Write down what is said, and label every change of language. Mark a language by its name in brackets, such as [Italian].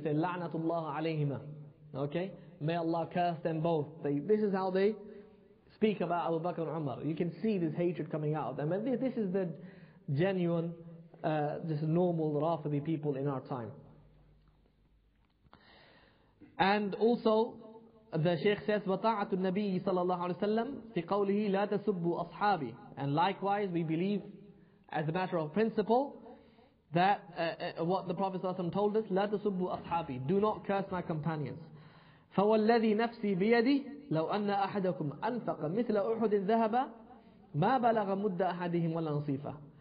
[English] Say La'natullah alayhima. Okay, may Allah curse them both. This is how they speak about Abu Bakr and Umar. You can see this hatred coming out of them. And this is the genuine, just normal Rafidi people in our time. And also, the Shaykh says, [Arabic] وَطَاعَةُ النَّبِيِّ صَلَى اللَّهُ عَلَيْهِ وَسَلَّمَ فِي قَوْلِهِ لَا تَسُبُّ أَصْحَابِي. [English] And likewise, we believe, as a matter of principle, that what the Prophet ﷺ told us, [Arabic] لَا تَسُبُّ أَصْحَابِي. [English] Do not curse my companions. [Arabic] فَوَالَّذِي نَفْسِي بِيَدِي لَوْ أَنَّ أَحَدَكُمْ أَنْفَقَ مِثْلَ أُحُدٍ ذَهَبَ مَا بَلَغَ مُدَّ أَحَدِهِمْ وَلَا نَصِيفَ.